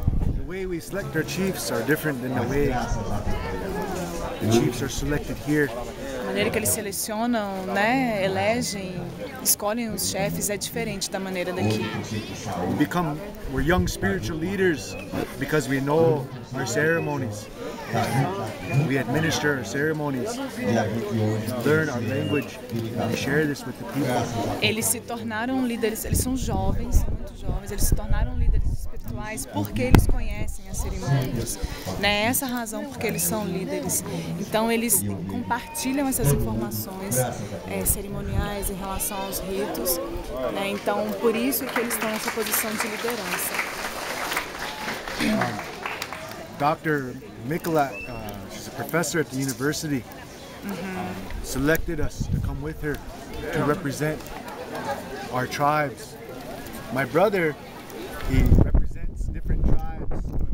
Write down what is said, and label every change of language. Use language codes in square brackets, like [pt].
[en] The way we select our chiefs are different than the way the chiefs are selected here. [pt] A maneira que eles selecionam, né, elegem, escolhem os chefes é diferente da maneira daqui. [en] We're young spiritual leaders because we know our ceremonies. We administer our ceremonies, learn our language, and share this with the people. [pt] Eles se tornaram líderes, eles são jovens, muito jovens, eles se tornaram líderes espirituais porque eles conhecem as cerimônias. Né? Essa razão porque eles são líderes. Então eles compartilham essas informações cerimoniais em relação aos ritos. Né? Então por isso é que eles estão nessa posição de liderança. [en] Dr. Mikola, she's a professor at the university, selected us to come with her to represent our tribes. My brother, he represents different tribes.